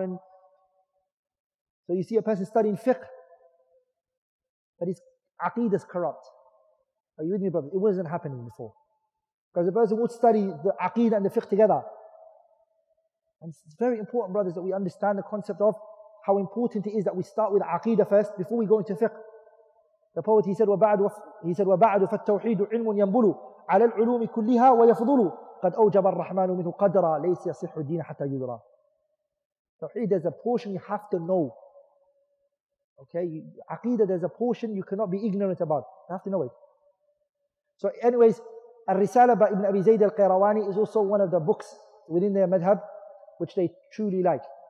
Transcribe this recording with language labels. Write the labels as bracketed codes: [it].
[en] And so you see a person studying fiqh, but his aqidah is corrupt. Are you with me, brother? It wasn't happening before. Because a person would study the aqidah and the fiqh together. And it's very important, brothers, that we understand the concept of how important it is that we start with aqidah first before we go into fiqh. [ar] The poet, he said, وَبَعْدُ فَالتَّوْحِيدُ عِلْمٌ يَنْبُلُ عَلَى الْعُلُومِ كُلِّهَا وَيَفْضُلُ قَدْ أَوْجَبَ الرَّحْمَنُ مِنْهُ قَدْرًا لَيْسَ يَصِحُ الدِّينَ حَتَّى يُدْرَى. [en] Tawheed, there's a portion you have to know. Okay, aqidah, there's a portion you cannot be ignorant about. You have to know it. So anyways, Al-Risala by Ibn Abi Zayd al-Qayrawani is also one of the books within their madhab which they truly like.